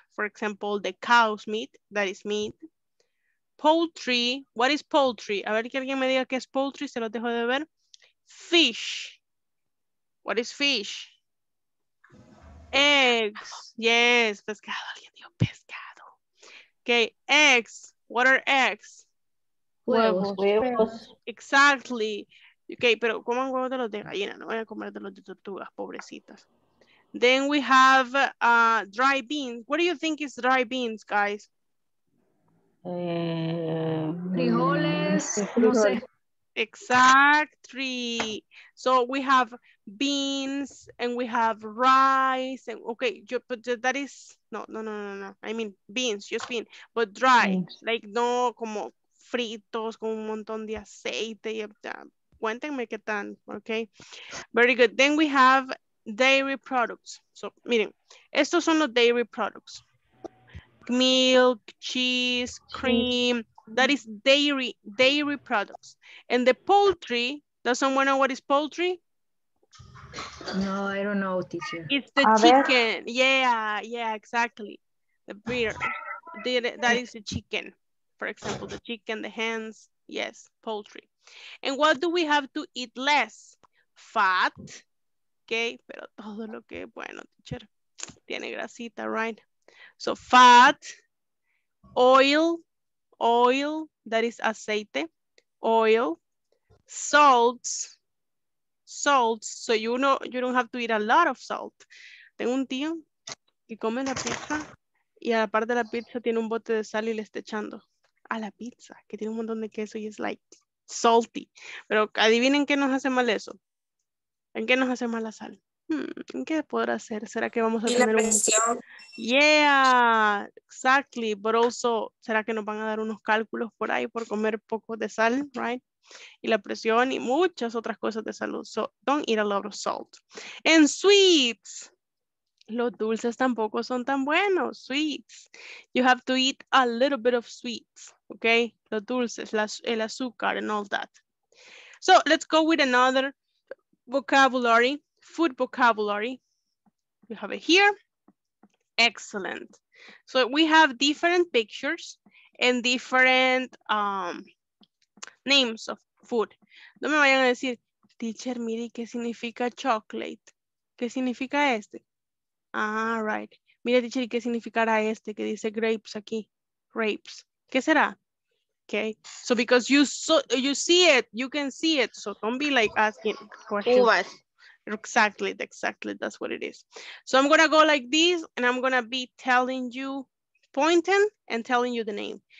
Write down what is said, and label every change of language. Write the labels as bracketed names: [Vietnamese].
[English] For example, the cow's meat, that is meat. Poultry, what is poultry? [Spanish] A ver que alguien me diga qué es poultry, se lo dejo de ver. [English] Fish, what is fish? Eggs, yes, [Spanish] pescado, alguien dijo pescado. [English] Okay, eggs, what are eggs? [Spanish] Huevos, huevos. [English] Exactly. [Spanish] Okay, pero coman huevos de los de gallina, no voy a comer de los de tortugas, pobrecitas. [English] Then we have dry beans. What do you think is dry beans, guys? [Spanish] Frijoles, no sé. [English] Exactly. So we have beans and we have rice and okay, yo, but that is no. I mean beans, just bean, but dry, beans. [Spanish] Like no como fritos con un montón de aceite. Cuéntenme qué tan, [English] okay. Very good. Then we have dairy products. So [Spanish] miren, estos son los [English] dairy products. Milk, cheese, cream. That is dairy products. And the poultry, does someone know what is poultry? No, I don't know, teacher. It's the chicken. Yeah, exactly. The beer. That is the chicken. For example, the chicken, the hens. Yes, poultry. And what do we have to eat less? [Spanish] Fat. Okay, pero todo lo que bueno, teacher. Tiene grasita, [English] right? So fat, oil. Oil, that is aceite, oil, salts, so you know, you don't have to eat a lot of salt. [Spanish] Tengo un tío que come la pizza y a la parte de la pizza tiene un bote de sal y le está echando a la pizza, que tiene un montón de queso y es [English] like salty. [Spanish] Pero adivinen qué nos hace mal eso. ¿En qué nos hace mal la sal? ¿En qué podrá hacer? ¿Será que vamos a tener la presión? [English] Yeah, exactly. But also, [Spanish] ¿será que nos van a dar unos cálculos por ahí por comer poco de sal, right? Y la presión y muchas otras cosas de salud. [English] So, don't eat a lot of salt. And sweets. [Spanish] Los dulces tampoco son tan buenos. Sweets. [English] You have to eat a little bit of sweets, okay? [Spanish] Los dulces, el azúcar [English] and all that. So, let's go with another vocabulary. Food vocabulary, you have it here. Excellent. So we have different pictures and different names of food. [Spanish] No me vayan a decir, teacher, mire, ¿qué significa chocolate? ¿Qué significa este? Ah, right. Mire, teacher, ¿qué significará este que dice grapes aquí? Grapes. ¿Qué será? [English] Okay, so because you you see it, you can see it. So don't be like asking questions. [Spanish] Uvas. [English] Exactly, exactly, that's what it is. So I'm gonna go like this and I'm gonna be telling you, pointing and telling you the name.